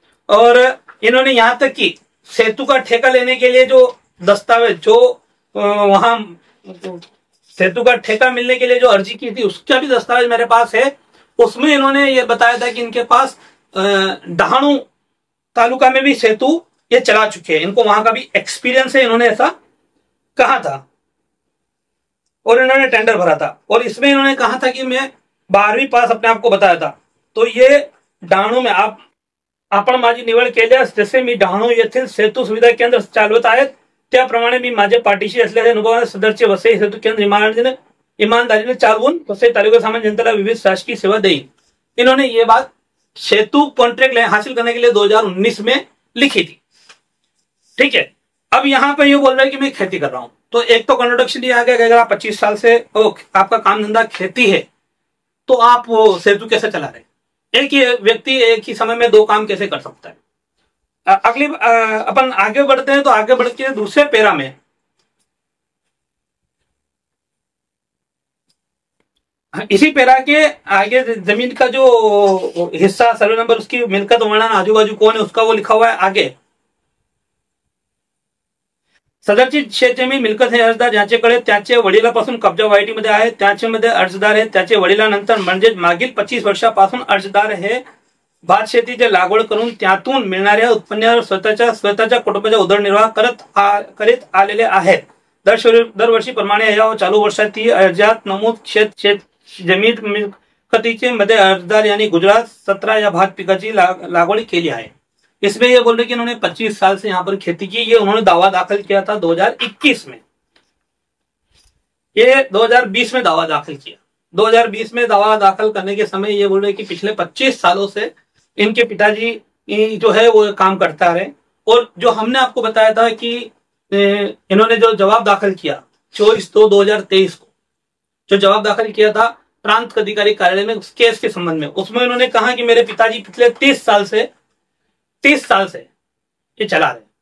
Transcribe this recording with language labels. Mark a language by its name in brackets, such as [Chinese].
[Hindi] और इन्होंने यहां तक कि सेतु का ठेका लेने के लिए जो दस्तावेज जो वहां सेतु का ठेका मिलने के लिए जो अर्जी की थी उसका भी दस्तावेज मेरे पास है, उसमें इन्होंने ये बताया था कि इनके पास डहाणू तालुका में भी सेतु ये चला चुके हैं, इनको वहां का भी एक्सपीरियंस है, इन्होंने ऐसा कहा था और इन्होंने टेंडर भरा था। और इसमें इन्होंने कहा था कि मैं 12वीं पास अपने आप को बताया था, तो ये [Marathi] डहाणू में आपण माझी निवड केल्या जसे मी डहाणू येथील सेतु सुविधा केंद्र चालवत आहेत त्याप्रमाणे मी माझे पाठीशी असलेले अनुभवाने सदरचे वसई सेतु केंद्र इमानदारीने चालवून वसई तालुका सामान्य जनतेला विविध शासकीय सेवा देईल। [Hindi] इन्होंने ये बात सेतु कॉन्ट्रैक्ट हासिल करने के लिए 2019 में लिखी थी। ठीक है, अब यहाँ पे ये बोल रहे हैं कि मैं खेती कर रहा हूं, तो एक तो कंट्रोडक्शन ये आ गया कि अगर आप 25 साल से आपका काम धंधा खेती है तो आप सेतु कैसे चला रहे, एक ही व्यक्ति एक ही समय में दो काम कैसे कर सकता है। अगली अपन आगे बढ़ते हैं तो आगे बढ़ के दूसरे पैरा में इसी पैरा के आगे जमीन का जो हिस्सा सर्वे नंबर उसकी मिलकत वर्णन आजू बाजू कौन है उसका वो लिखा हुआ है। [Marathi] आगे सदरची क्षेत्र में मिलकत है अर्जदार ज्याच्याकडे त्याचे वडिलापासून कब्जा वाईटी मध्ये आहे त्याच्यामध्ये अर्जदार आहे त्याचे वडिलानंतर म्हणजे मागील 25 वर्षापासून अर्जदार आहे भात शेतीचे लागवड करून त्यातून मिळणाऱ्या उत्पन्नावर स्वतःच्या कुटुंबाचा उदरनिर्वाह करत आलेले आहेत। दरवर्षीप्रमाणे या चालू वर्षातील अर्जात नमूद जमीन मिळकतीचे मध्ये अर्जदार यांनी गुजरात 17 या भात पिकाची लागवड केली आहे। [Hindi] इसमें यह बोल रहे कि उन्होंने 25 साल से यहां पर खेती की, ये उन्होंने दावा दाखिल किया था 2021 में, ये 2020 में दावा दाखिल किया। 2020 में दावा दाखिल करने के समय ये बोल रहे कि पिछले 25 सालों से इनके पिताजी जो है वो काम करता रहे, और जो हमने आपको बताया था कि इन्होंने जो जवाब दाखिल किया 24/2/2023 को जो जवाब दाखिल किया था प्रांत अधिकारी कार्यालय में उस केस के संबंध में, उसमें इन्होंने कहा कि मेरे पिताजी पिछले 30 साल से ये चला रहे।